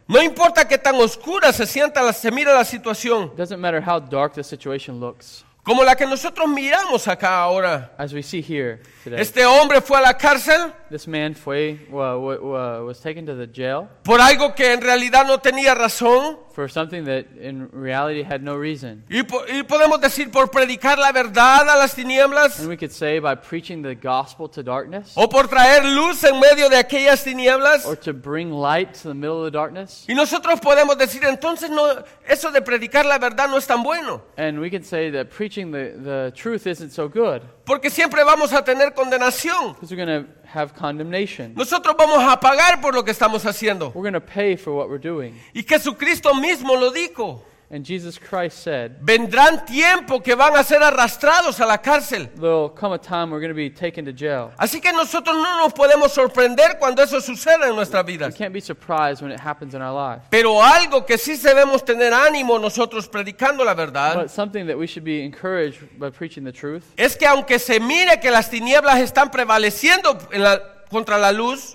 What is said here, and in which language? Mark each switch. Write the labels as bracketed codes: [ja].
[es] No importa qué tan oscura se mira la situación. [en] It doesn't matter how dark the situation looks. [es] Como la que nosotros miramos acá ahora. [en] As we see here today. [es] Este hombre fue a la cárcel. [en] This man was taken to the jail. [es] Por algo que en realidad no tenía razón. [en] For something that in reality had no reason. [es] Y podemos decir por predicar la verdad a las tinieblas. [en] And we could say by preaching the gospel to darkness. [es] O por traer luz en medio de aquellas tinieblas. [en] Or to bring light to the middle of the darkness. [es] Y nosotros podemos decir entonces no, eso de predicar la verdad no es tan bueno. [en] And we can say that preaching the truth isn't so good. [es] Porque siempre vamos a tener condenación. [en] Because we're going to have condemnation. [es] Nosotros vamos a pagar por lo que estamos haciendo. [en] We're going to pay for what we're doing. [es] Y Jesucristo mismo lo dijo. [en] And Jesus Christ said, [es] vendrán tiempo que van a ser arrastrados a la cárcel. [en] There'll come a time we're going to be taken to jail. [es] Así que nosotros no nos podemos sorprender cuando eso suceda en nuestra vida. [en] We can't be surprised when it happens in our life. [es] Pero algo que sí debemos tener ánimo nosotros predicando la verdad. [en] But something that we should be encouraged by preaching the truth. [es] Es que aunque se mire que las tinieblas están prevaleciendo en la, contra la luz.